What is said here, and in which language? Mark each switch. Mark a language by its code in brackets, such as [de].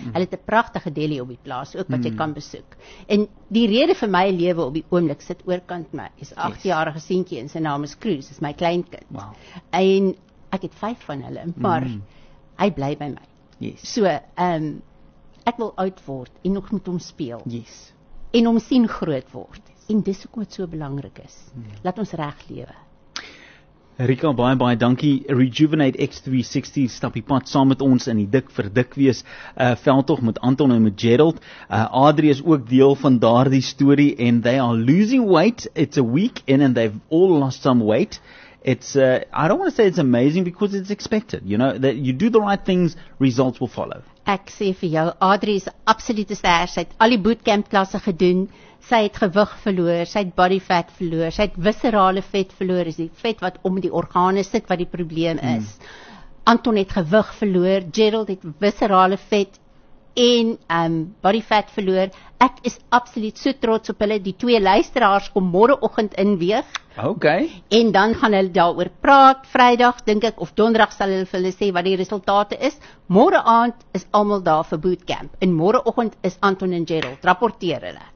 [af] Hulle het 'n pragtige deli op die plaas, ook wat jy kan besoek. En die rede vir my lewe op die oomblik sit oorkant my, is 8-jarige seentjie, en sy naam is Cruz, is my kleinkind. [en] Wow. [af] En ek het 5 van hulle, maar hy bly by my. [en] Yes. [af] So, ek wil oud word, en nog met hom speel. [en] Yes. [af] En hom sien groot word. En dis ook wat so belangrik is. Laat ons reg lewe. Rika, baie baie dankie. Rejuvenate X360 stap die pad saam met ons in die dik vir dik wees veldtog met Anton en met Gerald. Adrie is ook deel van daardie story [en] and they are losing weight. It's a week in and they've all lost some weight. It's I don't want to say it's amazing because it's expected, you know, that you do the right things, results will follow. [af] Ek sê vir jou, Adrie is absolute ster. Sy het al die bootcamp klasse gedoen. Sy het gewig verloor, sy het body fat verloor, sy het viscerale vet verloor, is die vet wat om die organe sit wat die probleem is. Anton het gewig verloor, Gerald het viscerale vet en body fat verloor. Ek is absoluut so trots op hulle, die twee luisteraars kom morgenoggend inweeg. [en] Okay. [af] En dan gaan hulle daaroor praat, Vrydag, dink ek, of Donderdag sal hulle vir hulle sê wat die resultate is. Morgen aand is almal daar vir bootcamp. En morgenoggend is Anton en Gerald, rapporteer hulle.